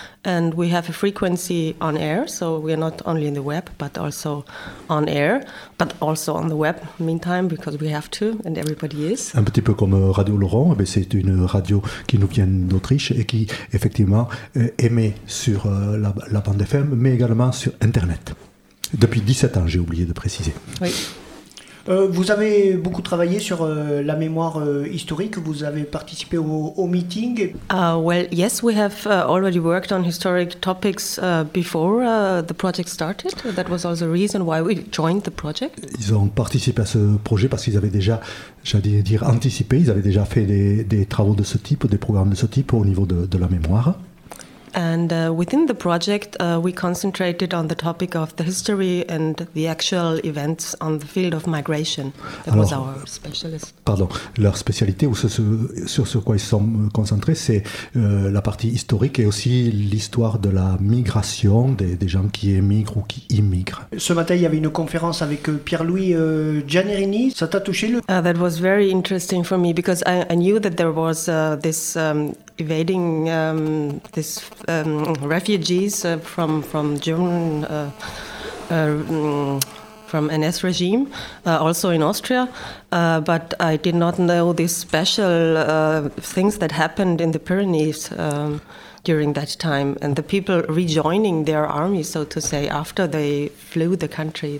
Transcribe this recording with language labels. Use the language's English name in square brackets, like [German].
[English] And we have a frequency on air, so we are not only in the web, but also on air, but also on the web, meantime, because we have to, and everybody is. [French] Un petit peu comme Radio Laurent, mais c'est une radio qui nous vient d'Autriche et qui, effectivement, émet sur la bande FM, mais également sur Internet. Depuis 17 ans, j'ai oublié de préciser. Oui. Vous avez beaucoup travaillé sur la mémoire historique. Vous avez participé au meeting. [English] Well, yes, we have already worked on historic topics before the project started. That was also the reason why we joined the project. [French] Ils ont participé à ce projet parce qu'ils avaient déjà, j'allais dire, anticipé. Ils avaient déjà fait des travaux de ce type, des programmes de ce type au niveau de la mémoire. [English] And within the project, we concentrated on the topic of the history and the actual events on the field of migration. [French] Alors, [English] was our specialist. [French] Pardon, leur spécialité ou sur quoi ils sont concentrés, c'est la partie historique et aussi l'histoire de la migration des gens qui émigrent ou qui immigrent. Ce matin, il y avait une conférence avec Pierre-Louis Giannerini. Ça t'a touché le? [English] That was very interesting for me because I knew that there was this. Evading these refugees from German from NS regime, also in Austria, but I did not know these special things that happened in the Pyrenees during that time, and the people rejoining their army, so to say, after they flew the country.